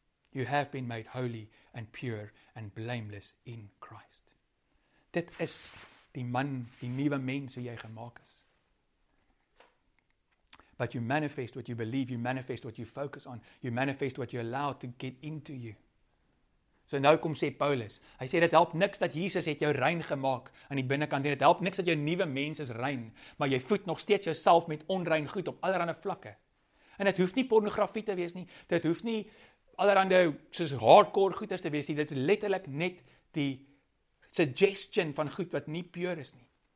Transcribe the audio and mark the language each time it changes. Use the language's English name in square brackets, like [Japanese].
[English] You have been made holy and pure and blameless in Christ. [Afrikaans] Dit is die man, die nuwe mens wie jy gemaak is. [English] But you manifest what you believe. You manifest what you focus on. You manifest what you allow to get into you. [Afrikaans] So nou kom sê Paulus. Hy sê dit help niks dat Jesus het jou rein gemaak aan die binnekant. Dit help niks dat jou nuwe mens is rein, maar jy voed nog steeds jouself met onrein goed op allerlei vlakke. En dit hoef nie pornografie te wees nie. Dit hoef nie allerhande soos hardcore goeders te wees nie. Dit is letterlik net die suggestion van goed wat nie pure is nie.